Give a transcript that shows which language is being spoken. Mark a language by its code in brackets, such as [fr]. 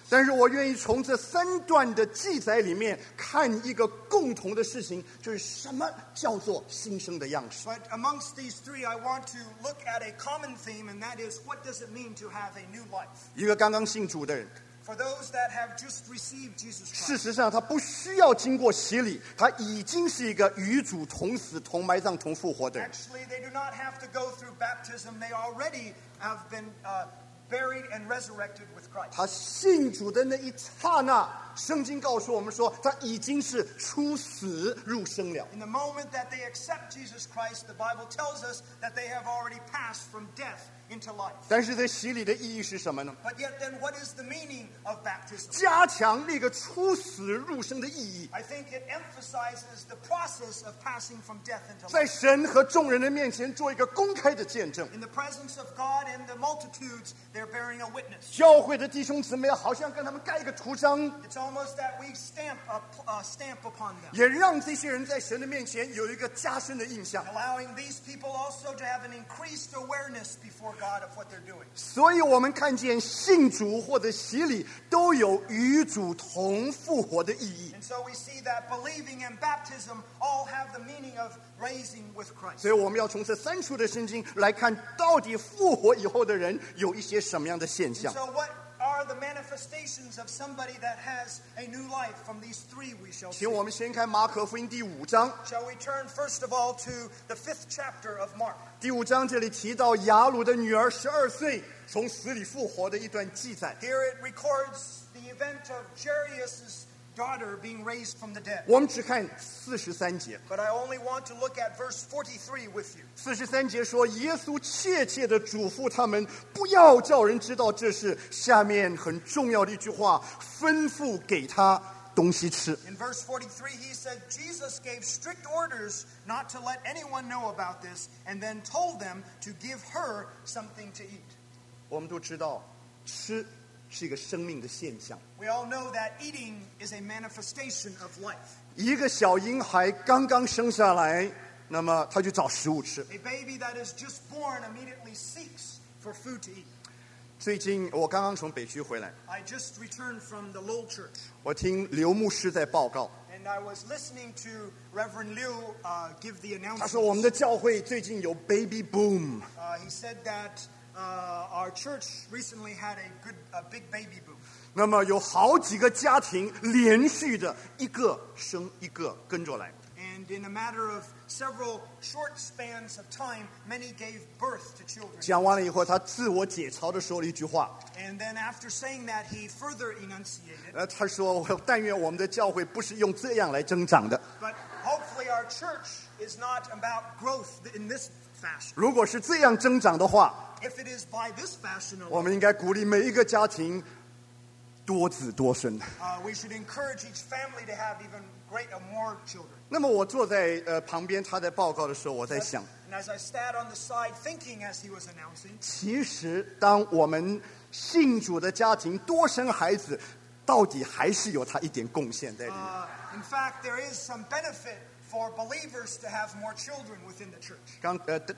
[zh] 但是我愿意从这三段的记载里面看一个共同的事情，就是什么叫做新生的样式。 [en] But amongst these three, I want to look at a common theme, and that is, what does it mean to have a new life? [zh] 一个刚刚信主的人。 [en] For those that have just received Jesus Christ. [zh] 事实上，他不需要经过洗礼，他已经是一个与主同死、同埋葬、同复活的人。 [en] Actually, they do not have to go through baptism. They already have been buried and resurrected with Christ. [zh] 他信主的那一刹那，圣经告诉我们说，他已经是出死入生了。 [en] In the moment that they accept Jesus Christ, the Bible tells us that they have already passed from death. [zh] 但是这洗礼的意义是什么呢？ [en] But yet then what is the meaning of baptism? [zh] 加强那个出死入生的意义。 [en] I think it emphasizes the process of passing from death into life. [zh] 在神和众人的面前做一个公开的见证。 [en] In the presence of God and the multitudes, they're bearing a witness. [zh] 教会的弟兄姊妹好像跟他们盖一个图章。 [en] It's almost that we stamp upon them. [zh] 也让这些人在神的面前有一个加深的印象。 [en] Allowing these people also to have an increased awareness before God. [zh] 所以我们看见信主或者洗礼都有与主同复活的意义。 [en] And so we see that believing and baptism all have the meaning of raising with Christ. [zh] 所以我们要从这三处的圣经来看到底复活以后的人有一些什么样的现象。 [en] And so what are the manifestations of somebody that has a new life from these three we shall see? [zh] 请我们先看马可福音第五章。 [en] Shall we turn first of all to the fifth chapter of Mark? [zh] 第五章这里提到雅鲁的女儿十二岁从死里复活的一段记载。 [en] Here it records the event of Jairus's daughter being raised from the dead. [zh] 我们只看四十三节。 [en] But I only want to look at verse 43 with you. [zh] 四十三节说，耶稣切切地嘱咐他们，不要叫人知道这事。下面很重要的一句话，吩咐给他东西吃。 [en] In verse 43, he said, Jesus gave strict orders not to let anyone know about this, and then told them to give her something to eat. [zh] 我们都知道，吃是一个生命的现象。 [en] We all know that eating is a manifestation of life. [zh] 一个小婴孩刚刚生下来，那么他就找食物吃。 [en] A baby that is just born immediately seeks for food to eat. [zh] 最近我刚刚从北区回来。 [en] I just returned from the Lowell Church. [zh] 我听刘牧师在报告。 [en] And I was listening to Reverend Liu give the announcement. [zh] 他说我们的教会最近有 baby boom. [en] He said that. Our church recently had a big baby boom. [zh] 那么有好几个家庭连续的一个生一个跟着来。 [en] And And in a matter of several short spans of time, many gave birth to children. [zh] 讲完了以后，他自我解嘲地说了一句话。 [en] And then after saying that, he further enunciated. [zh] 他说，但愿我们的教会不是用这样来增长的。 [en] But hopefully our church is not about growth in this fashion. [zh] 如果是这样增长的话， [en] if it is by this fashion, [zh] 我们应该鼓励每一个家庭多子多孙。 [en] We should encourage each family to have even great or more children. [zh] 那么我坐在旁边，他在报告的时候，我在想。 [en] And as I sat on the side thinking as he was announcing. [zh] 其实，当我们信主的家庭多生孩子，到底还是有他一点贡献在里面。 [en] In fact, there is some benefit for believers to have more children within the church.